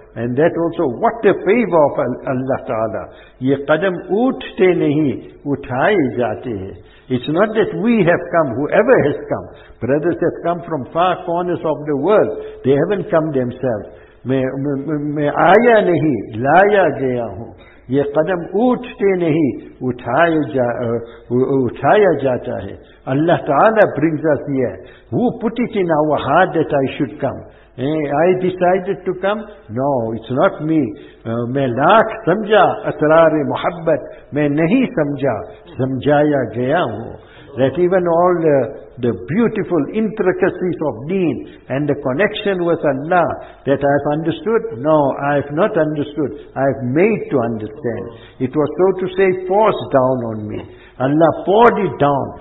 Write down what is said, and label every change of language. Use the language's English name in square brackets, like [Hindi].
[English] And that also, what a favor of Allah Ta'ala. [Urdu] Ye qadam uthte nahi, uthaye jaate hai. [English] It's not that we have come, whoever has come. Brothers have come from far corners of the world. They haven't come themselves. [Urdu] Main aaya nahi, laya gaya hoon. یہ قدم اٹھتے نہیں, اٹھایا جاتا ہے. [English] اللہ تعالیٰ brings us here. Who put it in our heart that I should come? I decided to come? No, it's not me. [Urdu] میں لاکھ سمجھا اسرار محبت, میں نہیں سمجھا, سمجھایا گیا ہوں. [English] That even all the beautiful intricacies of deen and the connection with Allah, that I have understood? No, I have not understood. I have made to understand. It was, so to say, forced down on me. Allah poured it down.